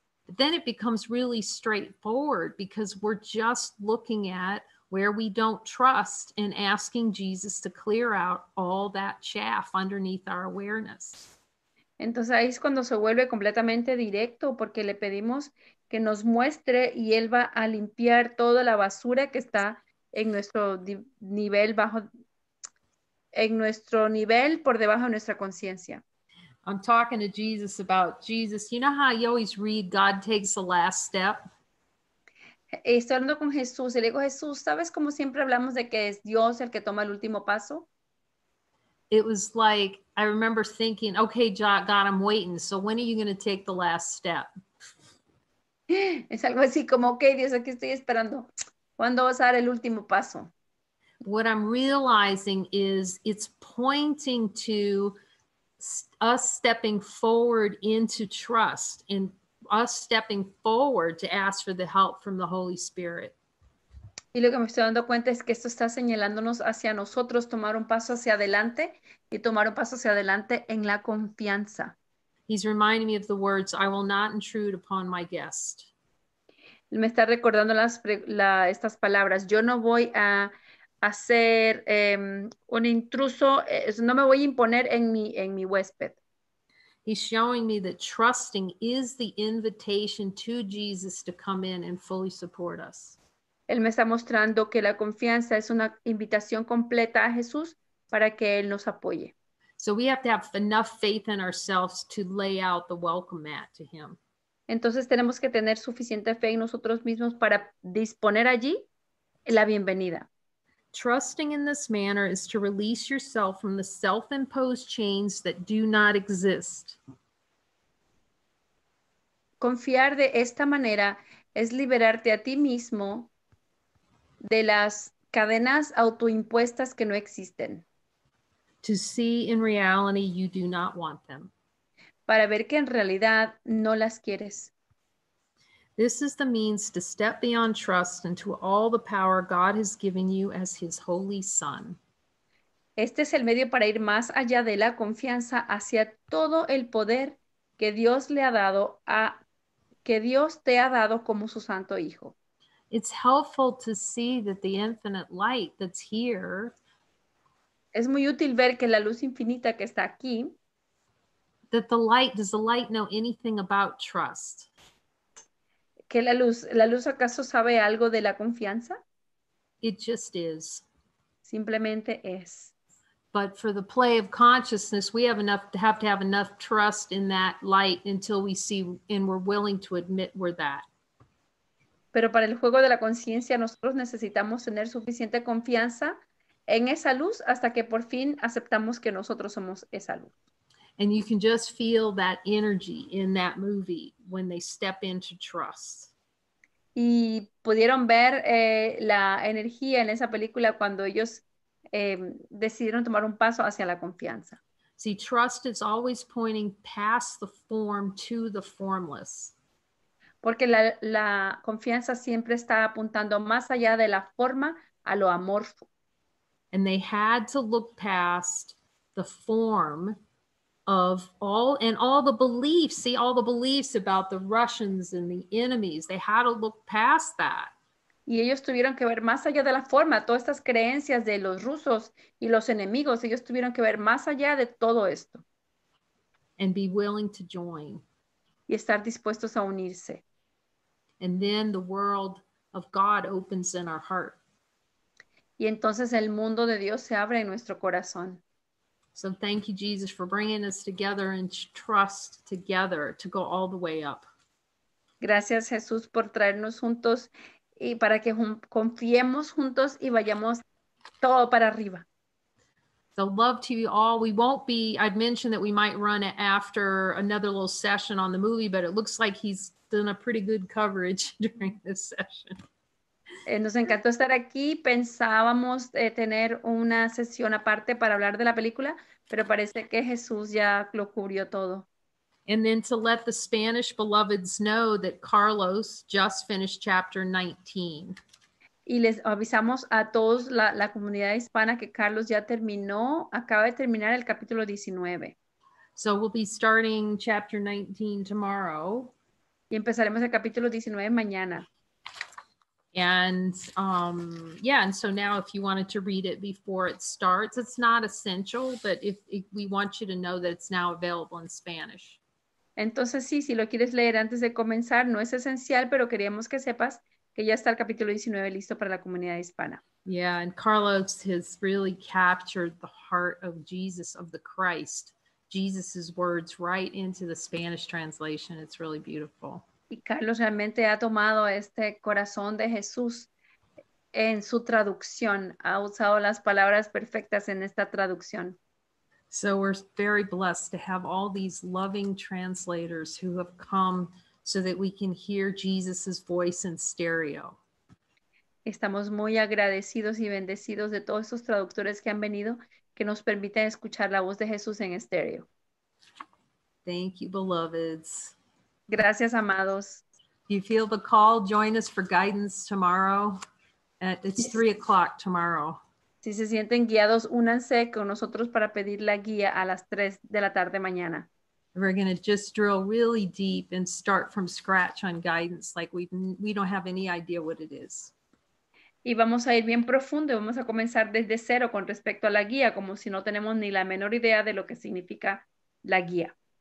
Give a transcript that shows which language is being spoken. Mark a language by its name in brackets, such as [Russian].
[English] But then it becomes really straightforward because we're just looking at where we don't trust and asking Jesus to clear out all that chaff underneath our awareness. [Spanish] Entonces ahí es cuando se vuelve completamente directo porque le pedimos que nos muestre y él va a limpiar toda la basura que está en nuestro nivel bajo, en nuestro nivel por debajo de nuestra conciencia. [English] I'm talking to Jesus about Jesus. You know how you always read God takes the last step? [Spanish] Estoy hablando con Jesús y le digo, Jesús, ¿sabes cómo siempre hablamos de que es Dios el que toma el último paso? [English] It was like, I remember thinking, okay, God, I'm waiting. So when are you going to take the last step? [Spanish] Es algo así como, okay, Dios, aquí estoy esperando. ¿Cuándo vas a dar el último paso? [English] What I'm realizing is it's pointing to us stepping forward into trust and us stepping forward to ask for the help from the Holy Spirit. [Spanish] Y lo que me estoy dando cuenta es que esto está señalándonos hacia nosotros tomar un paso hacia adelante y tomar un paso hacia adelante en la confianza. [English] He's reminding me of the words, I will not intrude upon my guest. [Spanish] Me está recordando estas palabras, yo no voy a hacer un intruso, no me voy a imponer en mi huésped. [English] He's showing me that trusting is the invitation to Jesus to come in and fully support us. [Spanish] Él me está mostrando que la confianza es una invitación completa a Jesús para que Él nos apoye. [English] So we have to have enough faith in ourselves to lay out the welcome mat to Him. [Spanish] Entonces tenemos que tener suficiente fe en nosotros mismos para disponer allí la bienvenida. [English] Trusting in this manner is to release yourself from the self-imposed chains that do not exist. [Spanish] Confiar de esta manera es liberarte a ti mismo de las cadenas autoimpuestas que no existen. [English] To see in reality you do not want them. [Spanish] Para ver que en realidad no las quieres. [English] This is the means to step beyond trust into all the power God has given you as his holy son. [Spanish] Este es el medio para ir más allá de la confianza hacia todo el poder que Dios le ha dado que Dios te ha dado como su santo hijo. [English] It's helpful to see that the infinite light that's here. [Spanish] Es muy útil ver que la luz infinita que está aquí. [English] That the light, does the light know anything about trust? [Spanish] Que la luz acaso sabe algo de la confianza? [English] It just is. [Spanish] Simplemente es. [English] But for the play of consciousness, we have to have enough trust in that light until we see and we're willing to admit we're that. [Spanish] Pero para el juego de la conciencia, nosotros necesitamos tener suficiente confianza en esa luz hasta que por fin aceptamos que nosotros somos esa luz. [English] And you can just feel that energy in that movie when they step into trust. [Spanish] Y pudieron ver la energía en esa película cuando ellos decidieron tomar un paso hacia la confianza. [English] See, trust is always pointing past the form to the formless. [Spanish] Porque la confianza siempre está apuntando más allá de la forma a lo amorfo. [English] And they had to look past the form of all and all the beliefs. See, all the beliefs about the Russians and the enemies, they had to look past that. [Spanish] Y ellos tuvieron que ver más allá de la forma, todas estas creencias de los rusos y los enemigos, ellos tuvieron que ver más allá de todo esto. [English] And be willing to join. [Spanish] Y estar dispuestos a unirse. [English] And then the world of God opens in our heart. [Spanish] Y entonces el mundo de Dios se abre en nuestro corazón. [English] So thank you, Jesus, for bringing us together and trust together to go all the way up. [Spanish] Gracias, Jesús, por traernos juntos. Y para que confiemos juntos y vayamos todo para arriba. [English] So love to you all. We won't be, I'd mentioned that we might run it after another little session on the movie, but it looks like he's done a pretty good coverage during this session. [Spanish] Nos encantó estar aquí. Pensábamos tener una sesión aparte para hablar de la película, pero parece que Jesús ya lo cubrió todo. [English] And then to let the Spanish beloveds know that Carlos just finished chapter 19. [Spanish] Y les avisamos a todos la comunidad hispana que Carlos ya terminó, acaba de terminar el capítulo 19. [English] So we'll be starting chapter 19 tomorrow. [Spanish] Y empezaremos el capítulo 19 mañana. [English] And so now if you wanted to read it before it starts, it's not essential, but if we want you to know that it's now available in Spanish. [Spanish] Entonces sí, si lo quieres leer antes de comenzar, no es esencial, pero queríamos que sepas que ya está el capítulo 19 listo para la comunidad hispana. [English] Yeah, and Carlos has really captured the heart of Jesus, of the Christ. Jesus's words right into the Spanish translation. It's really beautiful. [Spanish] Y Carlos realmente ha tomado este corazón de Jesús en su traducción, ha usado las palabras perfectas en esta traducción. [English] So we're very blessed to have all these loving translators who have come so that we can hear Jesus's voice in stereo. [Spanish] Estamos muy agradecidos y bendecidos de todos esos traductores que han venido que nos permiten escuchar la voz de Jesús en estéreo. [English] Thank you, beloveds. [Spanish] Gracias, amados. [English] You feel the call, join us for guidance tomorrow. It's 3 o'clock tomorrow. [Spanish] Si se sienten guiados, únanse con nosotros para pedir la guía a las 3 de la tarde mañana. [English] We're going to just drill really deep and start from scratch on guidance, like we don't have any idea what it is. [Spanish] Y vamos a ir bien profundo y vamos a comenzar desde cero con respecto a la guía, como si no tenemos ni la menor idea de lo que significa la guía.